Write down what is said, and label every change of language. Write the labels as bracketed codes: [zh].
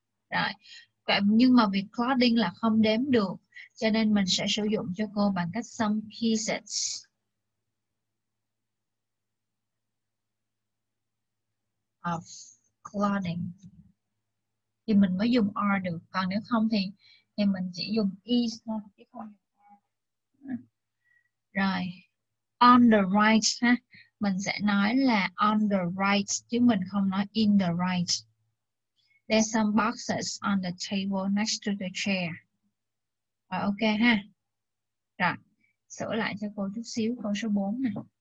[vi] Rồi. Nhưng mà vì clothing là không đếm được, cho nên mình sẽ sử dụng cho cô bằng cách [en] some pieces of clothing. [vi] Thì mình mới dùng are được. Còn nếu không thì mình chỉ dùng is thôi, chứ không. Rồi. [en] On the right [vi] ha. Mình sẽ nói là [en] on the right, [vi] chứ mình không nói [en] in the right. There's some boxes on the table next to the chair. [vi] Rồi, ok ha. Rồi, sửa lại cho cô chút xíu câu số 4 này.